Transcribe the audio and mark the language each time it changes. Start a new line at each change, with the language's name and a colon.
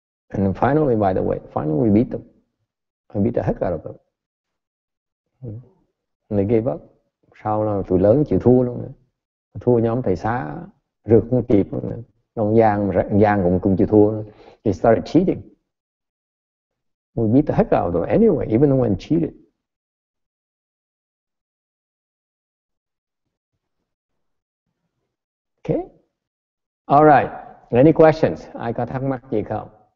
English: And then finally, by the way, finally we beat them. I beat the heck out of them. And they gave up.
Vietnamese: Sau là tụi lớn chịu thua luôn. Thua nhóm thầy xá, rượt không kịp. Ông Giang cũng chịu thua.
English: They started cheating. We beat the heck out of them anyway, even when cheated. Okay. All right. Any questions?
Vietnamese: Ai có thắc mắc gì không?